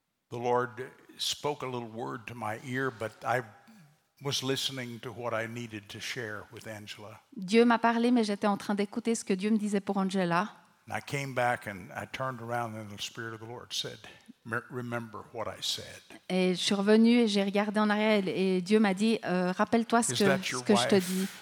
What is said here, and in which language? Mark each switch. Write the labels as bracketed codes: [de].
[en] The Lord spoke a little word to my ear, but I was listening to what I needed to share with Angela. [fr] Dieu m'a parlé, mais j'étais en train d'écouter ce que Dieu me disait pour Angela. [en] And I came back and I turned around, and the Spirit of the Lord said. Remember what I said. [fr] Et je suis revenu et j'ai regardé en arrière et Dieu m'a dit rappelle-toi ce que je te dis.